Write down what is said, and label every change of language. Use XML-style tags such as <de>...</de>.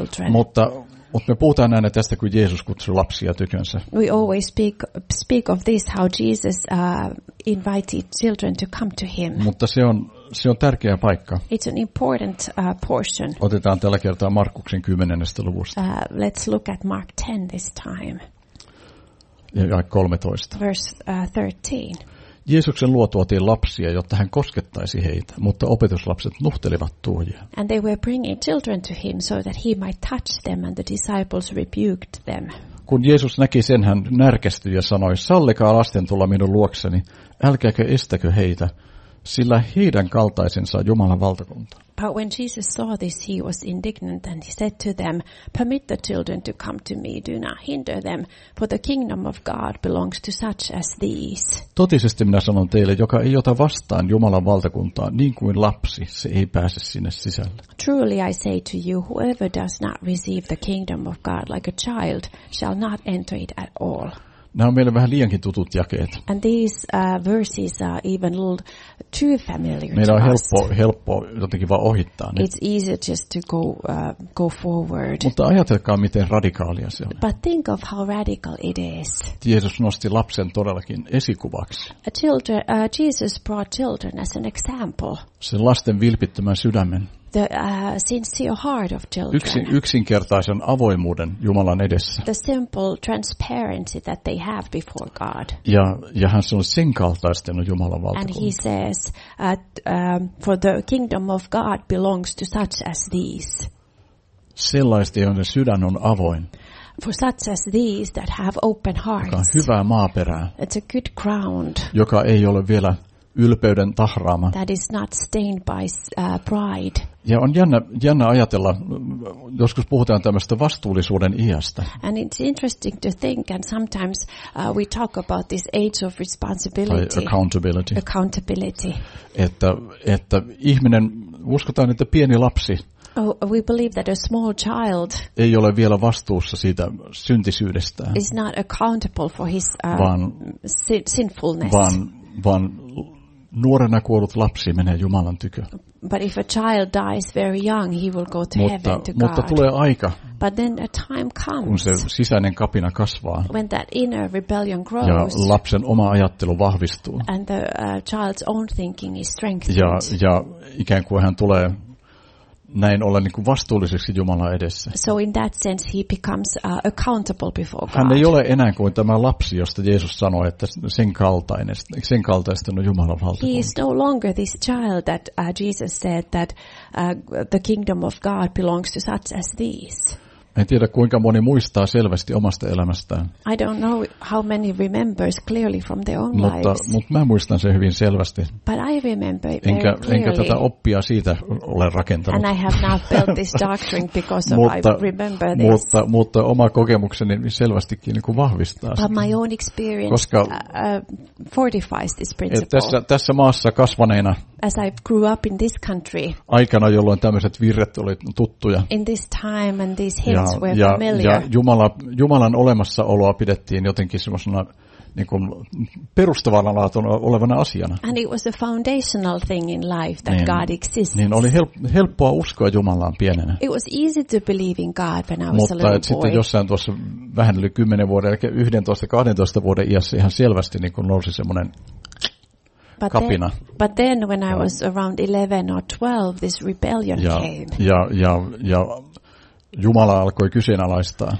<fi>Mutta me puhutaan aina tästä, kun Jeesus kutsui lapsia tykönsä.</fi> <en>We always speak of this, how Jesus invited children to come to him.</en> <fi>Mutta se on tärkeä paikka.</fi> <en>It's an important portion.</en> <fi>Otetaan tällä kertaa Markuksen 10. luvusta.</fi> <en>Let's look at Mark 10 this time.</en> <fi>Ja 13.</fi> <en>Verse 13.</en> <fi>Jeesuksen luo tuotiin lapsia, jotta hän koskettaisi heitä, mutta opetuslapset nuhtelivat tuojia.</fi> <en>And they were bringing children to him so that he might touch them, and the disciples rebuked them.</en> <fi>Kun Jeesus näki sen, hän närkästyi ja sanoi, sallikaa lasten tulla minun luokseni, älkääkö estäkö heitä, sillä heidän kaltaisensa Jumalan valtakunta.</fi> <en>But when Jesus saw this, he was indignant and he said to them, permit the children to come to me, do not hinder them, for the kingdom of God belongs to such as these.</en> <fi>Totisesti minä sanon teille, joka ei ota vastaan Jumalan valtakuntaa, niin kuin lapsi, se ei pääse sinne sisälle.</fi> <en>Truly I say to you, whoever does not receive the kingdom of God like a child shall not enter it at all.</en> <fi>Nämä on meille vähän liiankin tutut jakeet.</fi> <en>And these verses are even a little too familiar.</en> <fi>Meillä on helppo jotenkin vaan ohittaa ne.</fi> <en>It's easier just to go forward.</en> <fi>Mutta ajatelkaa, miten radikaalia se on.</fi> <en>But think of how radical it is.</en> <fi>Jeesus nosti lapsen todellakin esikuvaksi.</fi> <en>Jesus brought children as an example.</en> <fi>Sen lasten vilpittömän sydämen.</fi> <en>The sincere heart of children.</en> <fi>Yksinkertaisen avoimuuden Jumalan edessä.</fi> <en>The simple transparency that they have before God.</en> <fi>Ja hän sanoi, sen kaltaisten on Jumalan valtakunta.</fi> <en>And he says that for the kingdom of God belongs to such as these.</en> <fi>sellaista, joiden sydän on avoin.</fi> <en>For such as these that have open hearts.</en> <fi>Joka on hyvää maaperää.</fi> <en>It's a good ground.</en> <fi>Joka ei ole vielä ylpeyden tahraama.</fi> <en>That is not stained by pride.</en> <fi>Ja on jännä ajatella, joskus puhutaan tämmöstä vastuullisuuden iästä.</fi> <en>And it's interesting to think, and sometimes we talk about this age of responsibility.</en> <fi>Tai accountability.</fi> <en>Accountability.</en> <fi>Että ihminen, uskotaan, että pieni lapsi.</fi> <en>Oh, we believe that a small child</en> <fi>ei ole vielä vastuussa siitä syntisyydestään.</fi> <en>Is not accountable for his sinfulness.</en> <fi>Vaan nuorena kuollut lapsi menee Jumalan tykö.</fi> <en>But if a child dies very young, he will go to heaven to God.</en> <fi>Mutta tulee aika.</fi> <en>But then a time comes.</en> <fi>Kun se sisäinen kapina kasvaa.</fi> <en>When that inner rebellion grows.</en> <fi>Ja lapsen oma ajattelu vahvistuu.</fi> <en>And the child's own thinking is strengthened.</en> <fi>Ja ikään kuin hän tulee näin olla niin kuin vastuulliseksi Jumalan edessä.</fi> <en>So in that sense he becomes accountable before God.</en> <fi>Hän ei ole enää kuin tämä lapsi, josta Jeesus sanoi, että sen kaltaisten on Jumalan valtakunta.</fi> <en>He is no longer this child that Jesus said that the kingdom of God belongs to such as these.</en> <fi>En tiedä, kuinka moni muistaa selvästi omasta elämästään.</fi> <en>I don't know how many remembers clearly from their own lives.</en> <fi>Mutta mä muistan sen hyvin selvästi.</fi> <en>But I remember it very.</en> <fi>Enkä tätä oppia siitä ole rakentanut.</fi> <en>And I have not built this doctrine because I remember this.</en> <fi>Mutta oma kokemukseni selvästikin niin kuin vahvistaa sitä.</fi> <en>But my own experience fortifies this principle.</en> <fi>Tässä maassa kasvaneena.</fi> <en>As I grew up in this country.</en> <fi>Aikana, jolloin tämmöiset virret oli tuttuja.</fi> <en>In this time and these hymns were familiar.</en> <fi>Ja Jumalan olemassaoloa pidettiin jotenkin semmoisena niin kuin perustavalla laatuna olevana asiana.</fi> <en>And it was a foundational thing in life that</en> <fi>niin,</fi> <en>God exists.</en> <fi>Niin oli helppoa uskoa Jumalaan pienenä.</fi> <en>It was easy to believe in God when I was</en> <fi>Mutta</fi> <en>a little boy.</en> <fi>Mutta sitten jossain tuossa vähän yli 10 vuoden, eli 11-12 vuoden iässä ihan selvästi niin kuin nousi semmoinen.</fi> <en>But then when I was around 11 or 12, this rebellion came.</en> <fi>Ja Jumala alkoi kyseenalaistaa.</fi>